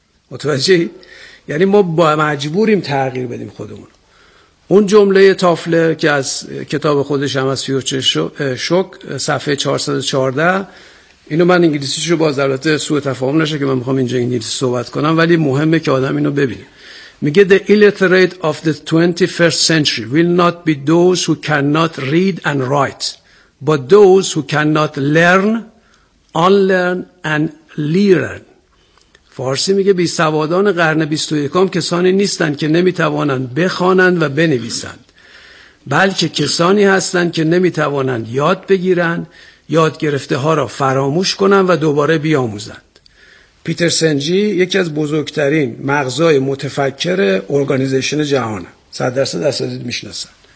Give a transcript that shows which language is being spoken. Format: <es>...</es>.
<fa>متوجهی؟ یعنی ما با مجبوریم تغییر بدیم خودمون. اون جمله تافلر که از کتاب خودش هم از فیوچر شوک صفحه 414، اینو من انگلیسیشو باز البته سوء تفاهم نشه که من میخوام اینجا انگلیسی صحبت کنم، ولی مهمه که آدم اینو ببینه. میگه</fa> <en>the illiterate of the 21st century will not be those who cannot read and write but those who cannot learn, unlearn and learn.</en> <fa>فارسی میگه بی سوادان قرن 21 کسانی نیستن که نمیتوانند بخوانند و بنویسند، بلکه کسانی هستند که نمیتوانند یاد بگیرند، یاد گرفته ها را فراموش کنن و دوباره بیاموزند. پیتر سنجی یکی از بزرگترین مغزای متفکر ارگانیزیشن جهانه، 100% اساتید میشناسن.</fa>